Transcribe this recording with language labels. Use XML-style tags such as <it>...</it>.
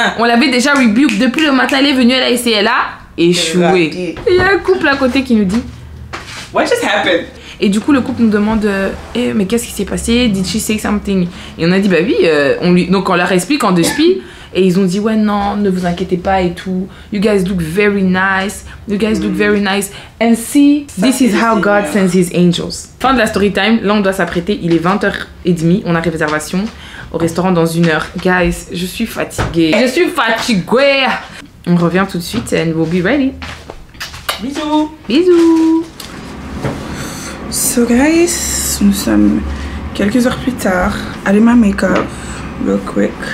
<fr>On l'avait déjà rebuked depuis le matin. Elle est venue, elle a essayé, elle a échoué. Il y a un couple à côté qui nous dit,</fr> <en>what just happened?</en> <fr>Et du coup, le couple nous demande, hey, mais qu'est-ce qui s'est passé?</fr> <en>Did she say something?</en> <fr>Et on a dit, bah oui, donc on leur explique en deux spies. Et ils ont dit, ouais, non, ne vous inquiétez pas et tout.</fr> <en>You guys look very nice. You guys look very nice. And see, ça this is how God sends his angels.</en> <fr>Fin de la story time. Là, on doit s'apprêter. Il est 20h30. On a réservation au restaurant dans une heure. Guys, je suis fatiguée. Je suis fatiguée. On revient tout de suite</fr> <en>and we'll be ready.</en> <fr>Bisous. Bisous. So, guys, nous sommes quelques heures plus tard. Allez, ma make-up.</fr> <en>Real quick.</en>